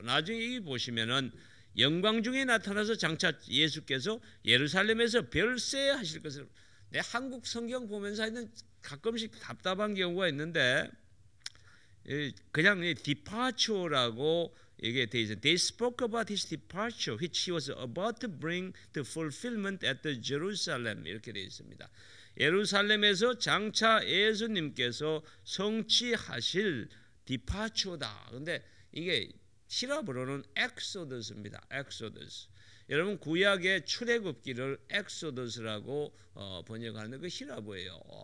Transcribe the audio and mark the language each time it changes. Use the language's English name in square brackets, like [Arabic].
[Korean] 나중에 여기 보시면은 영광 중에 나타나서 장차 예수께서 예루살렘에서 별세하실 것을. 내 한국 성경 보면서 가끔씩 답답한 경우가 있는데 그냥 departure라고 이게 돼 있어요. [English] They spoke about his departure which he was about to bring to fulfillment at the Jerusalem [Korean] 이렇게 돼 있습니다. 예루살렘에서 장차 예수님께서 성취하실 departure다. 근데 이게 시랍으로는 exodus입니다. [English] exodus. [Korean] 여러분 구약의 출애굽기를 엑소더스라고 번역하는 그 히라보예요.